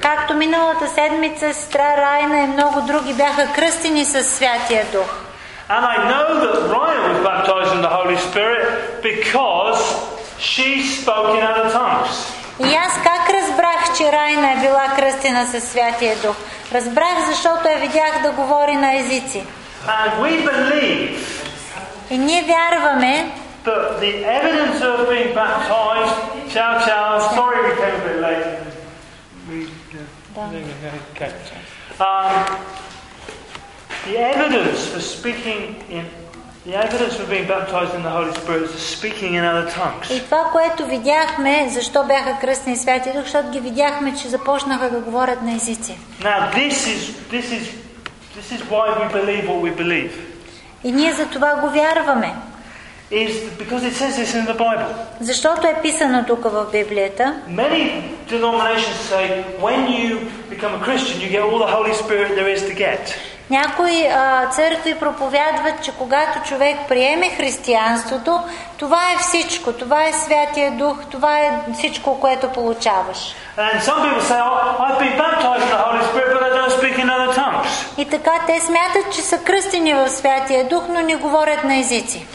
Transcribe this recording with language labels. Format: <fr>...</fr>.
<bg>Както миналата седмица сестра Райна и много други бяха кръстени със Святия Дух.</bg> <en>And I know that Raina was baptized in the Holy Spirit because she spoke in other tongues.</en> <bg>И аз как разбрах, че Райна е била кръстена със Святия Дух? Разбрах, защото я видях да говори на езици.</bg> <en>And we believe.</en> <bg>И ние вярваме.</bg> <en>But the evidence of being baptized. Ciao, ciao. Sorry, we came a bit late. The evidence for being baptized in the Holy Spirit is speaking in other tongues.</en> <bg>И това, което видяхме, защо бяха кръстени Святия Дух, защото ги видяхме, че започнаха да говорят на езици.</bg> <en>Now this is why we believe what we believe.</en> <bg>И ние за това го вярваме.</bg> <en>Is because it says this in the Bible.</en> <bg>Защото е писано тук в Библията.</bg> <en>Many denominations say when you become a Christian, you get all the Holy Spirit there is to get.</en> <bg>Някои църкви проповядват, че когато човек приеме християнството, това е всичко, това е Святия Дух, това е всичко, което получаваш.</bg> <en>And some people say, oh, I've been baptized in the Holy Spirit, but I don't speak in other tongues.</en> <bg>И така те смятат, че са кръстени в Святия Дух, но не говорят на езици.</bg>